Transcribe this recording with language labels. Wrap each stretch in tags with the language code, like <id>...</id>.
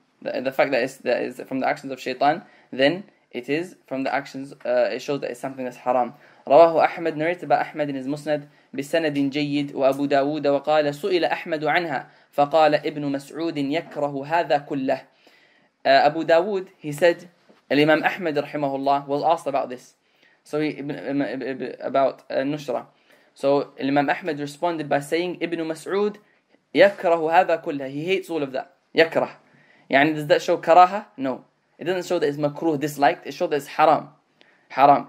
<en>the fact that it's from the actions of shaitan, then it is from the actions, it shows that it's something that's haram.</en> <ar>رواه أحمد,</ar> <en>narrated by Ahmad in his Musnad,</en> <ar>بسند جيد وأبو داود وقال سئل أحمد عنها فقال ابن مسعود يكره هذا كله.</ar> <en>Abu Dawood, he said, Imam Ahmad rahimahullah was asked about this. So about Nushra. So Imam Ahmad responded by saying, Ibn Mas'ud</en> <ar>yakrahu hadha kullah.</ar> <en>He hates all of that. Yakrah. يعني, does that show karaha? No. It doesn't show that it's makruh, disliked. It shows that it's haram. Haram.</en>